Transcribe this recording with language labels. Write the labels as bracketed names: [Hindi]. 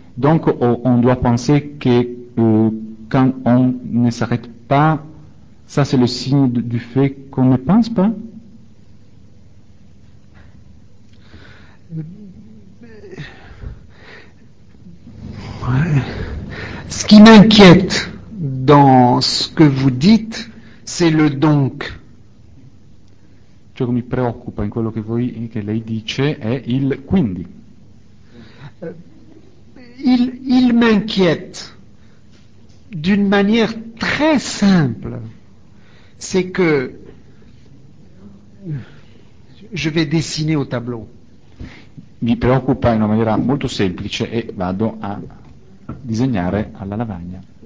[French] Donc on doit penser que quand on ne s'arrête pas, ça c'est le signe du fait qu'on ne pense pas. Ouais. Ce qui m'inquiète dans ce que vous dites, c'est le donc. [Italian] Ciò che mi preoccupa in quello che voi, che lei dice, è il quindi. [French] Il m'inquiète d'une manière très simple. C'est que je vais dessiner au tableau. [Italian] Mi preoccupa in una maniera molto semplice e vado a disegnare alla lavagna.